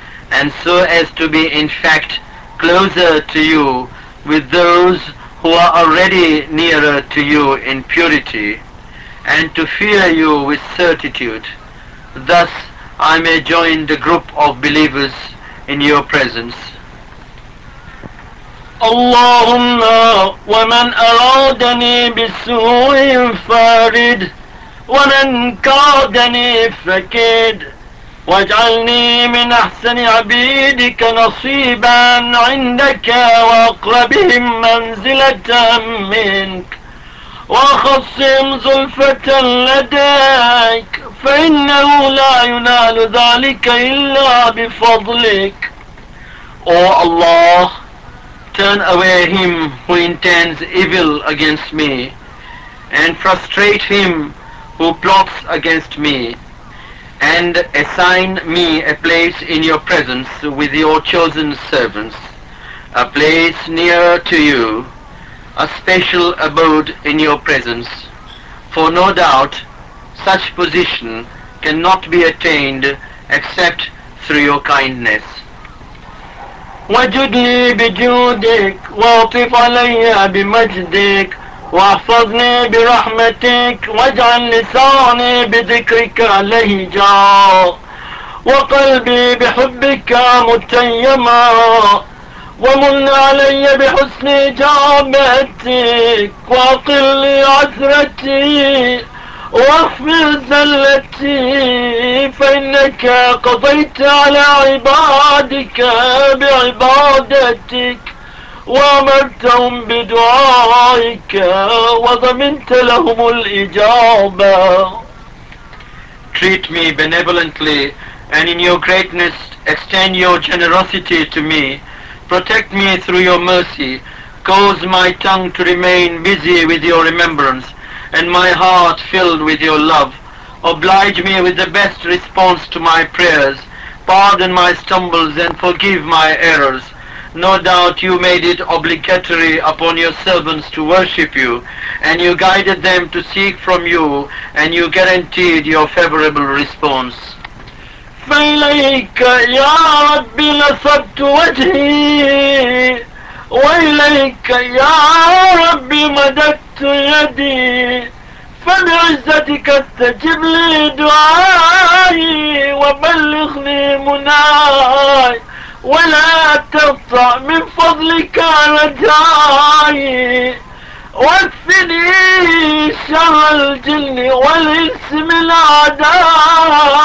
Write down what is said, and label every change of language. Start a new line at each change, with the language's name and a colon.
English: and so as to be in fact closer to you with those who are already nearer to you in purity, and to fear you with certitude, thus I may join the group of believers in your presence.
Arabic: اللهم ومن أرادني بسوء فارد ومن كادني فكيد واجعلني من أحسن عبيدك نصيبا عندك وأقربهم منزلة منك وأخصهم زلفة لديك فإنه لا ينال ذلك إلا بفضلك.
English: O Allah, turn away him who intends evil against me, and frustrate him who plots against me, and assign me a place in your presence with your chosen servants, a place nearer to you, a special abode in your presence, for no doubt such position cannot be attained except through your kindness.
Arabic: وجدني بجودك واطف علي بمجدك واحفظني برحمتك واجعل لساني بذكرك لهجا وقلبي بحبك متيما ومن علي بحسن اجابتك واقل لي عثرتي واغفر زلتي فإنك قضيت على عبادك بعبادتك وأمرتهم بدعائك وضمنت لهم الإجابة.
English: Treat me benevolently, and in your greatness extend your generosity to me. Protect me through your mercy. Cause my tongue to remain busy with your remembrance, and my heart filled with your love. Oblige me with the best response to my prayers. Pardon my stumbles and forgive my errors. No doubt you made it obligatory upon your servants to worship you, and you guided them to seek from you, and you guaranteed your favorable response.
Arabic: فإليك يا ربي نصبت وجهي وإليك يا ربي مددت يدي فبعزتك استجب لي دعائي وبلغني مناي ولا تقطع من فضلك رجائي واكفني شر الجن والإنس من أعدائي.